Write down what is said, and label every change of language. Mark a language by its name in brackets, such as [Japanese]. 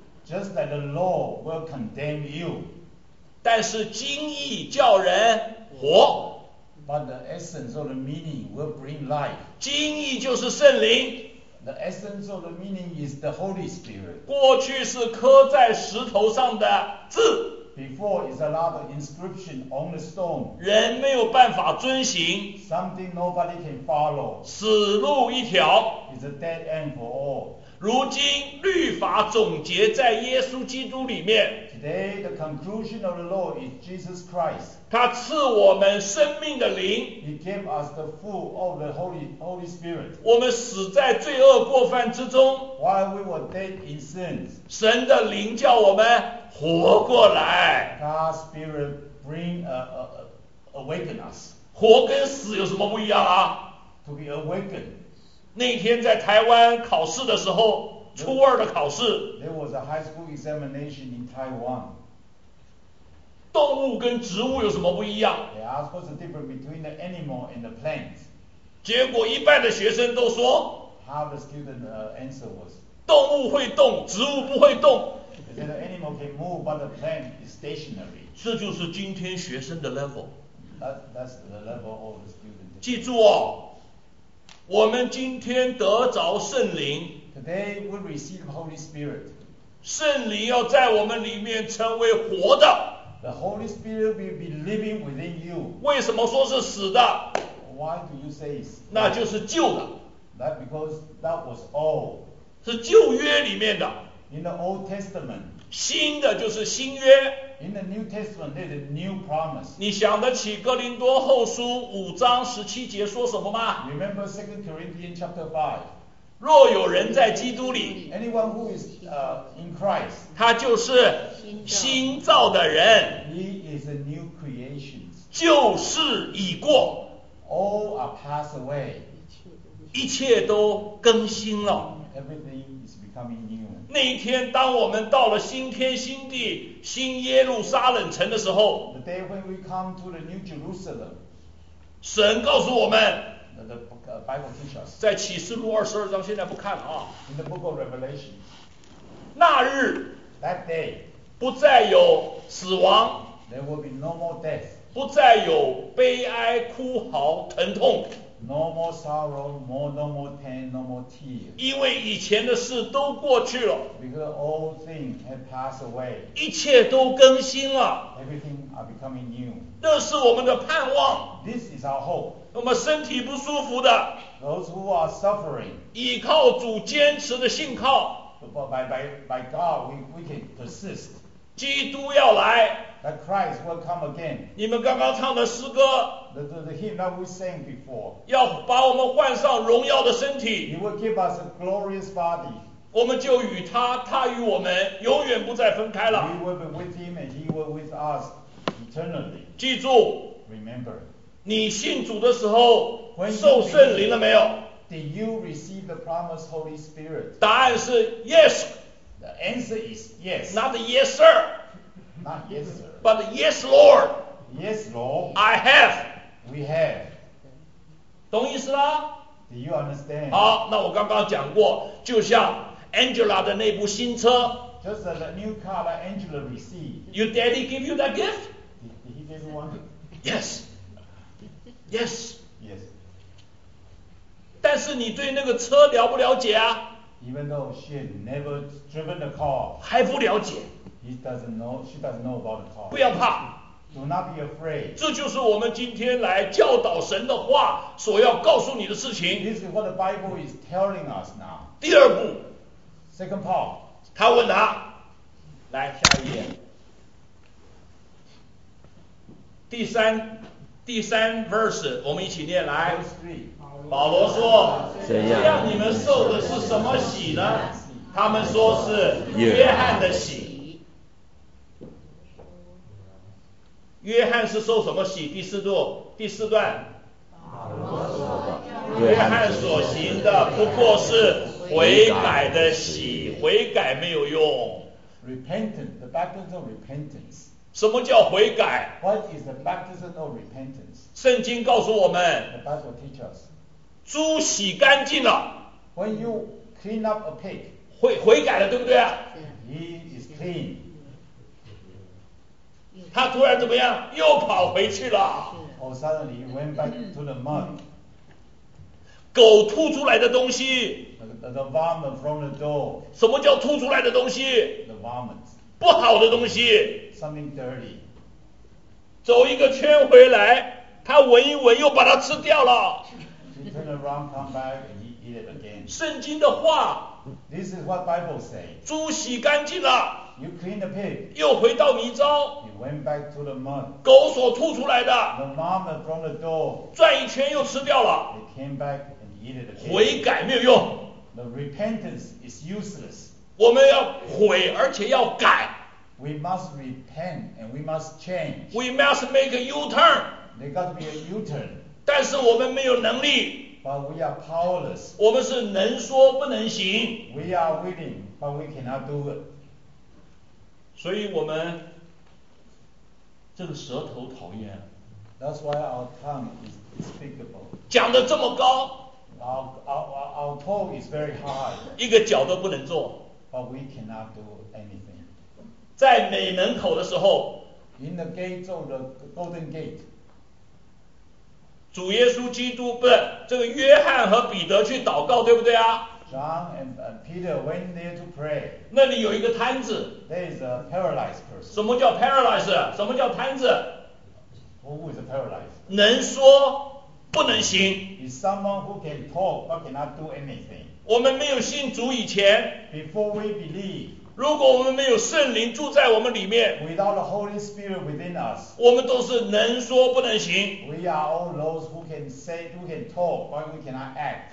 [English] Just that the law will condemn you. [Chinese] 但是经义叫人活。 [English] But the essence or the meaning will bring life. [Chinese] 经义就是圣灵。 [English] The essence of the meaning is the Holy Spirit. [Chinese] 过去是刻在石头上的字。 [English] Before is a lot of inscription on the stone. [Chinese] 人没有办法遵行。 [English] Something nobody can follow. [Chinese] 死路一条。 [English] It's a dead end for all. [Chinese] 如今律法总结在耶稣基督里面。 [English] Today the conclusion of the law is Jesus Christ. [Chinese] 他赐我们生命的灵。 [English] He gave us the full of the Holy Spirit. [Chinese] 我们死在罪恶过犯之中。 [English] While we were dead in sins. [Chinese] 神的灵叫我们活过来。 [English] God's Spirit bring awaken us. [Chinese] 活跟死有什么不一样啊 [English] ？To be awakened. [Chinese] 那天在台湾考试的时候，初二的考试。 [English] There was a high school examination in Taiwan. [Chinese] 动物跟植物有什么不一样 [English] ？They asked what's the difference between the animal and the plant. [Chinese] 结果一半的学生都说 [English] ，Half the student answer was [Chinese] 动物会动，植物不会动。 [English] They said the animal can move, but the plant is stationary. [Chinese] 这就是今天学生的 level. [English] That's the level of the student. [Chinese] 记住哦。我们今天得着圣灵 [English] Today we receive Holy Spirit. [Chinese] 圣灵要在我们里面成为活的 [English] The Holy Spirit will be living within you. [Chinese] 为什么说是死的 [English] Why do you say it's [Chinese] 那就是旧的 [English] That because that was old. [Chinese] 是旧约里面的 [English] In the Old Testament. [Chinese] 新的就是新约 [English] In the New Testament, there's a new promise. [Chinese] 你想得起哥林多后书五章十七节说什么吗 [English] ？Remember Second Corinthians chapter five. [Chinese] 若有人在基督里 [English] ，Anyone who is in Christ， [Chinese] 他就是新造的人。 [English] He is a new creation. [Chinese] 旧事已过 [English] ，All are passed away. [Chinese] 一切都更新了。 [English] Everything is becoming new. [Chinese] 那一天，当我们到了新天新地、新耶路撒冷城的时候 [English] ，The day when we come to the New Jerusalem， [Chinese] 神告诉我们 [English] ，The Bible teaches us， [Chinese] 在启示录二十二章，现在不看了啊。 [English] In the Book of Revelation， [Chinese] 那日 [English] ，That day， [Chinese] 不再有死亡 [English] ，There will be no more death， [Chinese] 不再有悲哀、哭嚎、疼痛。 [English] No more sorrow, no more pain, no more tears. [Chinese] 因为以前的事都过去了。 [English] Because all things have passed away. [Chinese] 一切都更新了。 [English] Everything are becoming new. [Chinese] 这是我们的盼望。 [English] This is our hope. [Chinese] 我们身体不舒服的。 [English] Those who are suffering. [Chinese] 依靠主坚持的信靠。 [English] By God, we can persist. [Chinese] 基督要来。 [English] That Christ will come again. [Chinese] 你们刚刚唱的诗歌 [English] the hymn that we sang before. [Chinese] 要把我们换上荣耀的身体 [English] He will give us a glorious body. [Chinese] 我们就与他，他与我们，永远不再分开了。 [English] We will be with him and he will be with us eternally. [Chinese] 记住 [English] Remember. [Chinese] 你信主的时候受圣灵了没有 [English] Did you receive the promised Holy Spirit? [Chinese] 答案是 yes. [English] The answer is yes. Not yes sir. Not yes, sir. But yes, Lord. Yes, Lord. I have. We have. [Chinese] 懂意思啦 [English] Do you understand? [Chinese] 好，那我刚刚讲过，就像 Angela 的那部新车。 [English] Just the new car that Angela received. Your daddy give you that gift? Did he give you one? Yes. Yes. Yes. [Chinese] 但是你对那个车了不了解啊 [English] ？Even though she had never driven the car. [Chinese] 还不了解。 [English] He doesn't know. She doesn't know about the car. [Chinese] 不要怕。 [English] Do not be afraid. [Chinese] 这就是我们今天来教导神的话所要告诉你的事情。 [English] This is what the Bible is telling us now. [Chinese] 第二步。 [English] Second part. [Chinese] 他问他，来下一页。第三 verse， 我们一起念来。保罗说，这样你们受的是什么洗呢？他们说是约翰的洗。约翰是受什么洗？第四段。约翰所行的不过是悔改的洗，悔改没有用。 [English] Repentance, the baptism of repentance. [Chinese] 什么叫悔改 [English] ？What is the baptism of repentance? [Chinese] 圣经告诉我们 [English] ，The Bible teaches. [Chinese] 猪洗干净了。 [English] When you clean up a pig. [Chinese] 悔改了，对不对啊 [English] ？He is clean. [Chinese] 他突然怎么样？又跑回去了。 [English] Oh, suddenly he went back to the mud. [Chinese] 狗吐出来的东西。 [English] The vomit from the dog. [Chinese] 什么叫吐出来的东西 [English] ？The vomit. [Chinese] 不好的东西。 [English] Something dirty. [Chinese] 走一个圈回来，他闻一闻，又把它吃掉了。 [English] He turned around, come back, and he ate it again. [Chinese] 圣经的话 [English] This is what Bible say. [Chinese] 猪洗干净了。 [English] You clean the pig. [Chinese] 又回到泥沼。 [English] You went back to the mud. [Chinese] 狗所吐出来的。 [English] The vomit from the dog. [Chinese] 转一圈又吃掉了。 [English] It came back and eat it again. [Chinese] 悔改没有用。 [English] The repentance is useless. [Chinese] 我们要悔，而且要改。 [English] We must repent and we must change. We must make a U-turn. There got to be a U-turn. [Chinese] 但是我们没有能力。 [English] But we are powerless. [Chinese] 我们是能说不能行。 [English] We are willing, but we cannot do it. [Chinese] 所以我们这个舌头讨厌。 [English] That's why our tongue is despicable. [Chinese] 讲得这么高。 [English] Our tongue is very high. [Chinese] 一个脚都不能做。 [English] But we cannot do anything. [Chinese] 在美门口的时候。 [English] In the gates of the golden gate. [Chinese] 主耶稣基督不是这个约翰和彼得去祷告对不对啊 [English] John and Peter went there to pray [Chinese] 那里有一个摊子 [English] There is a paralyzed person [Chinese] 什么叫 paralyzed 什么叫摊子 [English] Who is a paralyzed [Chinese] 能说不能行 [English] Is someone who can talk but cannot do anything [Chinese] 我们没有信主以前 [English] Before we believe [Chinese] 如果我们没有圣灵住在我们里面 [English] Without the Holy Spirit within us [Chinese] 我们都是能说不能行 [English] We are all those who can say, who can talk, but we cannot act.